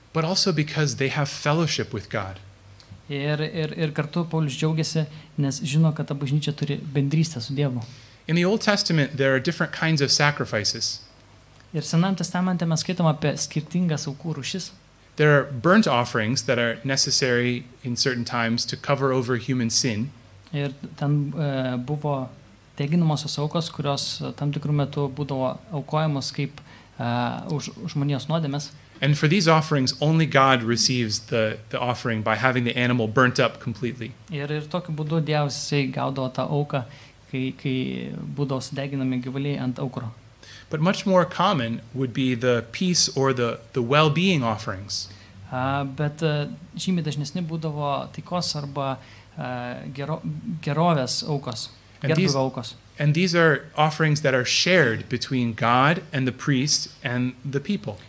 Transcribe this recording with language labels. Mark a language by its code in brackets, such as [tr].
[en] But also because they have fellowship with God. [lt] Ir kartu Paulius džiaugiasi, nes žino, kad ta bažnyčia turi bendrystę su Dievu. [en] In the Old Testament, there are different kinds of sacrifices. [lt] Ir Senajame Testamente mes skaitom apie skirtingas aukų rūšis. [en] There are burnt offerings that are necessary in certain times to cover over human sin. [lt] Ir ten buvo deginamosios aukos, kurios tam tikru metu būdavo aukojamos kaip už žmonijos nuodėmes. [en] And for these offerings, only God receives the offering by having the animal burnt up completely. [lt] Ir tokiu būdu Dievas gaudavo tą auką, kai būdavo sudeginami gyvuliai ant aukuro. [en] But much more common would be the peace or the well-being offerings. [lt] Bet žymiai dažnesni būdavo taikos arba gerovės aukos, gerbūvio aukos. [en] And these are offerings that are shared between God and the priest and the people.